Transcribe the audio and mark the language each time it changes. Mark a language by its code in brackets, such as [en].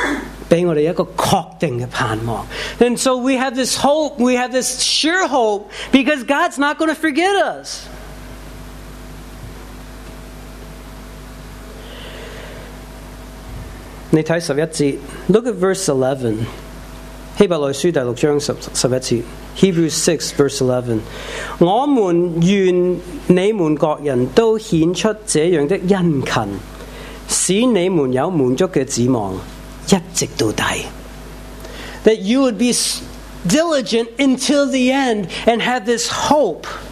[zh] 感谢主，神是没忘记，所以我们有这个盼望，神是给我们一个确定的盼望。 [en] And so we have this hope, we have this sure hope, because God's not going to forget us. [zh] 你看十一节， [en] look at verse 11， [zh] 希伯来书第六章十一节。 [en] Hebrews 6 verse 11. [zh] 我们愿你们各人都显出这样的殷勤，使你们有满足的指望，一直到底。 [en] That you would be diligent until the end and have this hope,